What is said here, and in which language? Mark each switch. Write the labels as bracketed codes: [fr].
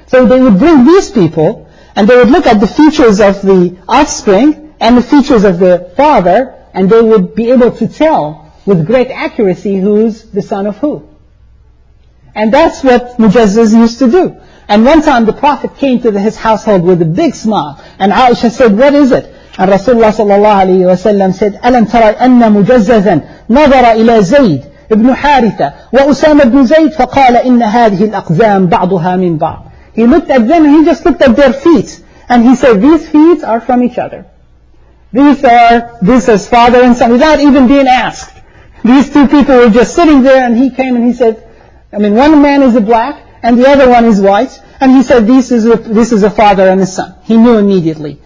[en] So they would bring these people, and they would look at the features of the offspring and the features of the father, and they would be able to tell with great accuracy who's the son of who. And that's what Mujazzaz used to do. And one time the Prophet came to his household with a big smile, and Aisha said, what is it? And Rasulullah sallallahu alayhi wa sallam said, [ar] أَلَمْ تَرَى أَنَّ مُجَزَّزًا نَظَرَ إِلَى زَيْدٍ ابن حارثة وأسامة بن زيد فقال إن هذه الأقزام بعضها من بعض. [en] He looked at them and he just looked at their feet. And he said, these feet are from each other. This is father and son, without even being asked. These two people were just sitting there, and he came and he said, I mean, one man is a black, and the other one is white. And he said, this is a father and a son. He knew immediately.